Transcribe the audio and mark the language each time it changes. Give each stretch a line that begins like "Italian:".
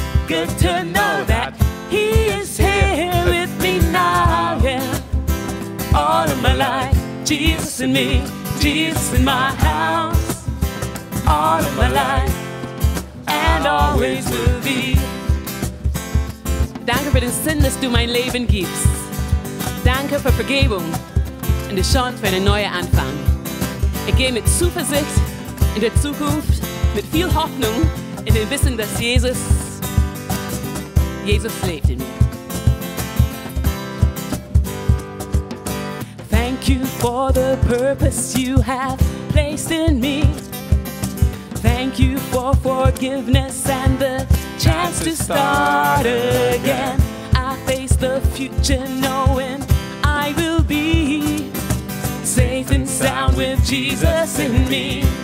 English: Good to know that He is here with me now, yeah. All of my life, Jesus in me, Jesus in my house. All of my life, and always will be.
German: Danke für den Sinn, dass du mein Leben gibst. Danke für Vergebung und die Chance für einen neuen Anfang. Ich gehe mit Zuversicht in der Zukunft, mit viel Hoffnung in dem Wissen, dass Jesus lebt in mir.
English: Thank you for the purpose you have placed in me. Thank you for forgiveness and the chance to start again. I face the future knowing I will be safe and sound with Jesus in me.